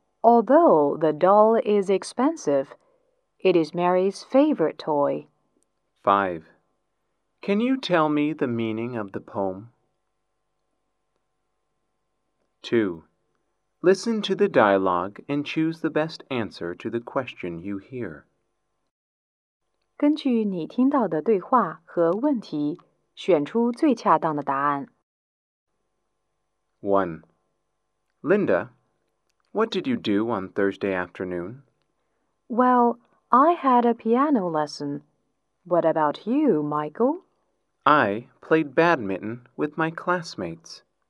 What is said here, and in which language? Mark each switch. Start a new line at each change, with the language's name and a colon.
English: Although the doll is expensive, it is Mary's favorite toy. 5. Can you tell me the meaning of the poem? 2. Listen to the dialogue and choose the best answer to the question you hear.
Chinese: 根据你听到的对话和问题，选出最恰当的答案。
English: 1. Linda, what did you do on Thursday afternoon? Well, I had a piano lesson. What about you, Michael? I played badminton with my classmates.